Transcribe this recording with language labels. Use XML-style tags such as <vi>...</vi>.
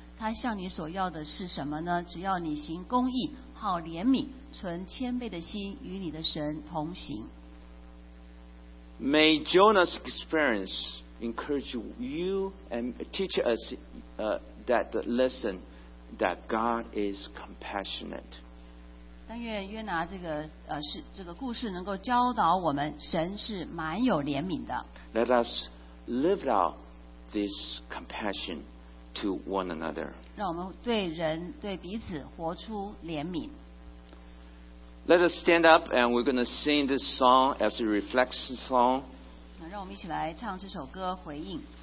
<zh>他向你所要的是什么呢？只要你行公义，好怜悯，存谦卑的心，与你的神同行。</zh> <en>May Jonah's experience encourage you and teach us that lesson that God is compassionate.</en> <zh>但愿约拿这个故事能够教导我们，神是蛮有怜悯的。</zh> <en>Let us live out this compassion. To one another.</en> <zh>让我们对人对彼此活出怜悯。</zh> <en>Let us stand up, and we're going to sing this song as a reflection song.</en> <zh>让我们一起来唱这首歌回应。</zh>